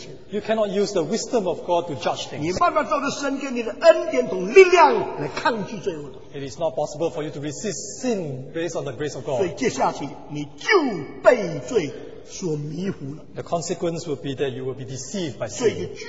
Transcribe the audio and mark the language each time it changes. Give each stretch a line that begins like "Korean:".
English: You cannot use the wisdom of God to judge things. It is not possible for you to resist sin based on the grace of God.
Chinese: 所以接下去你就被罪所迷糊了。
English: The consequence will be that you will be deceived by sin.